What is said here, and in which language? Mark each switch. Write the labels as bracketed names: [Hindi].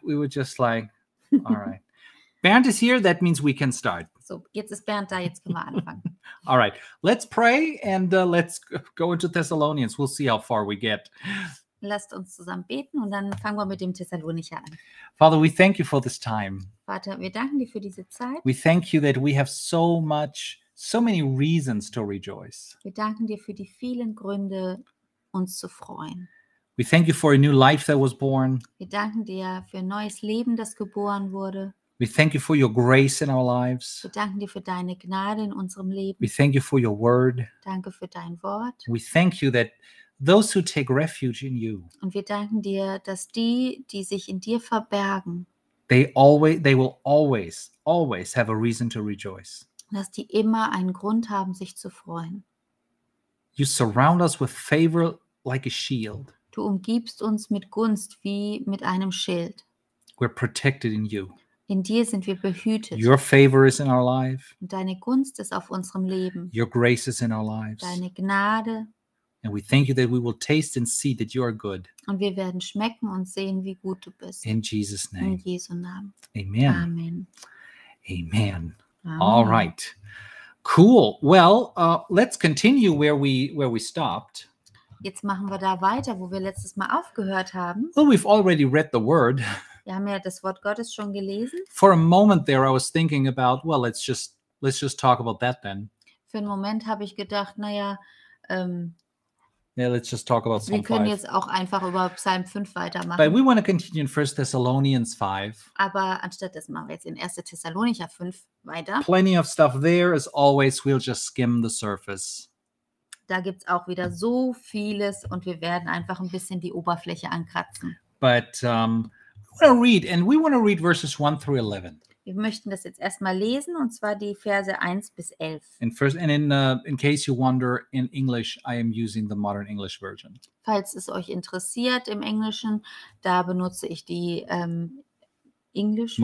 [English] We were just like, all right. Bernd is here, that means we can start. [German] So, jetzt ist Bernd da, jetzt können wir anfangen. [English] All right, let's pray and let's go into Thessalonians. We'll see how far we get. [German] Lasst uns zusammen beten und dann fangen wir mit dem Thessalonicher an. [English] Father, we thank you for this time. [German] Vater, wir danken dir für diese Zeit. [English] We thank you that we have so many reasons to rejoice. [German] Wir danken dir für die vielen Gründe, uns zu freuen. [English] We thank you for a new life that was born. [German] Wir danken dir für ein neues Leben, das geboren wurde. [English] We thank you for your grace in our lives. [German] Wir danken dir für deine Gnade in unserem Leben. [English] We thank you for your word. [German] Danke für dein Wort. [English] We thank you that those who take refuge in you. [German] Und wir danken dir, dass die, die sich in dir verbergen. [English] They will always have a reason to rejoice. [German] Dass die immer einen Grund haben, sich zu freuen. [English] You surround us with favor like a shield. [German] Du umgibst uns mit Gunst wie mit einem Schild. [English] We're protected in you. [German] In dir sind wir behütet. [English] Your favor is in our life. [German] Deine Gunst ist auf unserem Leben. [English] Your grace is in our lives. [German] Deine Gnade. [English] And we thank you that we will taste and see that you are good. [German] Und wir werden schmecken und sehen, wie gut du bist. [English] In Jesus' name. [German] In Jesu Namen. [English] Amen. [German] Amen. [English] Amen. All right. Cool. Well, let's continue where we stopped. [German] Jetzt machen wir da weiter, wo wir letztes Mal aufgehört haben. [English] Well, we've already read the word. [German] Wir haben ja das Wort Gottes schon gelesen. [English] For a moment there, I was thinking about, well, let's just talk about that then. [German] Für einen Moment habe ich gedacht, naja, [English] yeah, let's just talk about Psalm 5. [German] Wir können jetzt auch einfach über Psalm 5 weitermachen. [English] But we want to continue in 1 Thessalonians 5. [German] Aber anstatt das machen wir jetzt in 1. Thessalonicher 5 weiter. [English] Plenty of stuff there, as always, we'll just skim the surface. [German] Da gibt's auch wieder so vieles und wir werden einfach ein bisschen die Oberfläche ankratzen. [English] But we want to read, and we want to read verses 1 through 11. [German] Wir möchten das jetzt erstmal lesen, und zwar die Verse 1 bis 11. [English] And first, and in case you wonder, in English, I am using the Modern English Version. [German] Falls es euch interessiert im Englischen, da benutze ich die English?